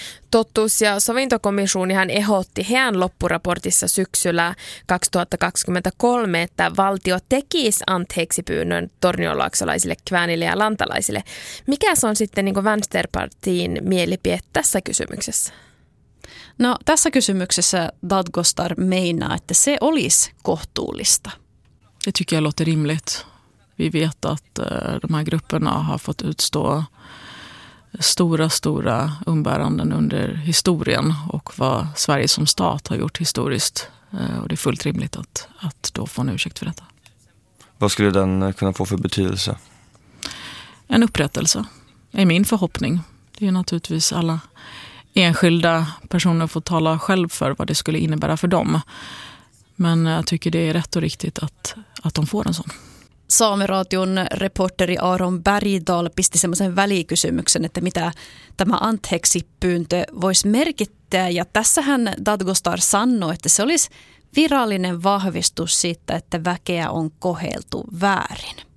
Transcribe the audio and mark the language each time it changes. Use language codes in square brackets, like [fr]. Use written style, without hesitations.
[fi] Totuus- ja sovintokomissioonihan ehdotti heidän loppuraportissa syksyllä 2023, että valtio tekisi anteeksi pyynnön tornionlaaksolaisille, kväänille ja lantalaisille. Mikä se on sitten niin kuin Vänsterpartiin mielipide tässä kysymyksessä? No, tässä kysymyksessä Dadgostar meinaa, että se olisi kohtuullista. [sv] Det tycker jag låter rimligt. Vi vet att de här grupperna har fått utstå stora umbäranden under historien och vad Sverige som stat har gjort historiskt. Och det är fullt rimligt att då få en ursäkt för detta. Vad skulle den kunna få för betydelse? En upprättelse är min förhoppning. Det är naturligtvis alla enskilda personer får tala själv för vad det skulle innebära för dem. Men jag tycker det är rätt och riktigt att de får en sån. [fi] Saameradion reporteri Aaron Bergdahl pisti semmoisen välikysymyksen, että mitä tämä anteeksipyyntö voisi merkittää. Ja tässähän Dadgostar sanoi, että se olisi virallinen vahvistus siitä, että väkeä on koheltu väärin.